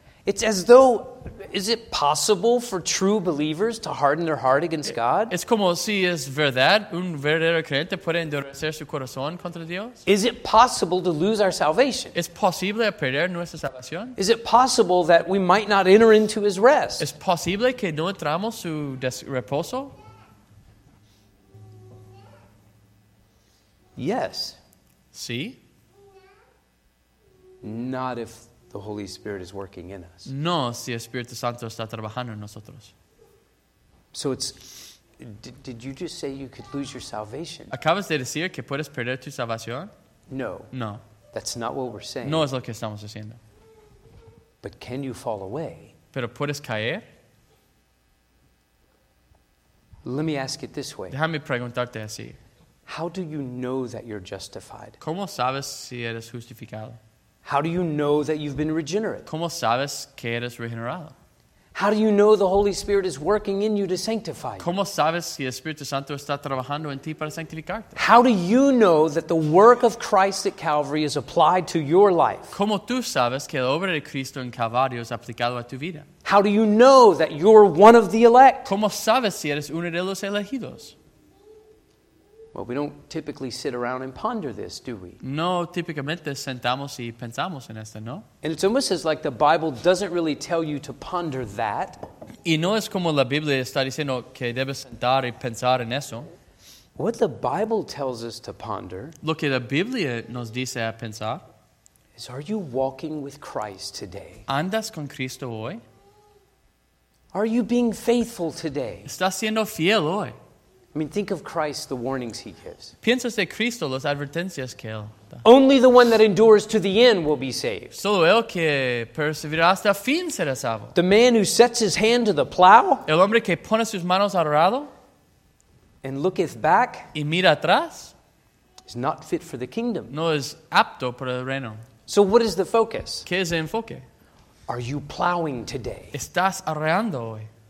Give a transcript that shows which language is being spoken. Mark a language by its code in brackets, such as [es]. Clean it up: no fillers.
[en] It's as though, is it possible for true believers to harden their heart against God? [es] Es como si es verdad, un verdadero creyente puede endurecer su corazón contra Dios. [en] Is it possible to lose our salvation? [es] ¿Es posible perder nuestra salvación? [en] Is it possible that we might not enter into his rest? [es] ¿Es posible que no entramos su reposo? [en] Yes. See? Not if the Holy Spirit is working in us. [es] No, si el Espíritu Santo está trabajando en nosotros. [en] So it's... Did you just say you could lose your salvation? [es] ¿Acabas de decir que puedes perder tu salvación? [en] No. [es] No. [en] That's not what we're saying. [es] No es lo que estamos haciendo. [en] But can you fall away? [es] ¿Pero puedes caer? [en] Let me ask it this way. [es] Déjame preguntarte así. [en] How do you know that you're justified? [es] ¿Cómo sabes si eres justificado? [en] How do you know that you've been regenerate? [es] ¿Cómo sabes que eres regenerado? [en] How do you know the Holy Spirit is working in you to sanctify [es] you? ¿Cómo sabes si el Espíritu Santo está trabajando en ti para sanctificarte? [en] How do you know that the work of Christ at Calvary is applied to your life? [es] ¿Cómo tú sabes que la obra de Cristo en Calvario es aplicado a tu vida? [en] How do you know that you're one of the elect? [es] ¿Cómo sabes si eres uno de los elegidos? [en] Well, we don't typically sit around and ponder this, do we? [es] No, típicamente sentamos y pensamos en esto, ¿no? [en] And it's almost as like the Bible doesn't really tell you to ponder that. [es] Y no es como la Biblia está diciendo que debes sentar y pensar en eso. [en] What the Bible tells us to ponder, [es] lo que la Biblia nos dice a pensar, [en] is, are you walking with Christ today? [es] ¿Andas con Cristo hoy? [en] Are you being faithful today? [es] ¿Estás siendo fiel hoy? [en] I mean, think of Christ, the warnings he gives. [es] Piensas de Cristo, las advertencias que él da. [en] Only the one that endures to the end will be saved. [es] Solo el que perseverará hasta el fin será salvo. [en] The man who sets his hand to the plow. [es] El hombre que pone sus manos al arado. [en] And looketh back. [es] Y mira atrás. [en] Is not fit for the kingdom. [es] No es apto para el reino. [en] So what is the focus? [es] ¿Qué es el enfoque? [en] Are you plowing today? [es] ¿Estás arreando hoy?